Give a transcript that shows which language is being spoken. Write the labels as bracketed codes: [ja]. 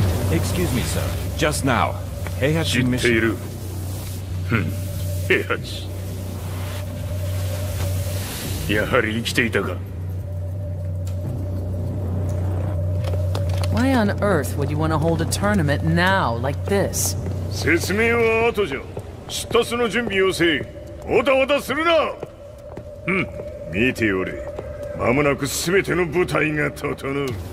[en] Excuse me, sir. Just now. [ja] 知っている。ヘイハチ、やはり生きていたか。 [en] Why on earth would you want to hold a tournament now like this? [ja] 説明は後じゃ。出立の準備をせい。おたおたするな。見ておれ。まもなく全ての舞台が整う。